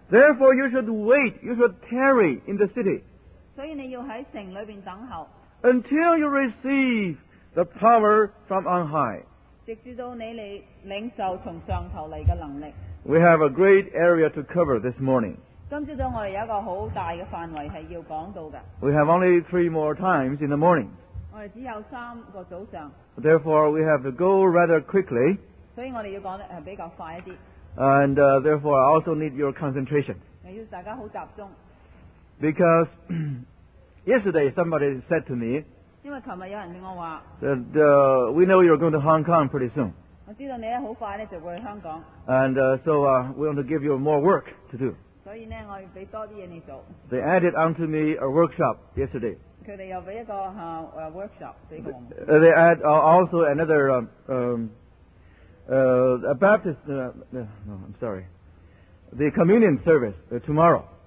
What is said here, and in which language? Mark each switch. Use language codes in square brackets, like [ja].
[en] therefore, you should wait, you should tarry in the city, [zh] 所以你要在城裡等候, [en] until you receive the power from on high. [zh] 直至你領受從上頭來的能力. [en] We have a great area to cover this morning. [zh] 今早我們有一個很大的範圍是要講到的. [en] We have only three more times in the morning. [zh] 我們只有三個早上. [en] Therefore, we have to go rather quickly. [zh] 所以我們要講得比較快一些. [en] And therefore, I also need your concentration. [zh] 要大家很集中. [en] Because yesterday, somebody said to me, [zh] 因為昨天有人跟我說, [en] that we know you're going to Hong Kong pretty soon. [zh] 我知道你很快就會去香港. [en] And we want to give you more work to do. [zh] 所以呢,我要給多些東西做. [en] They added onto me a workshop yesterday. [zh] 他們又給一個, workshop, [en] they add also another a Baptist, no, I'm sorry, the communion service tomorrow.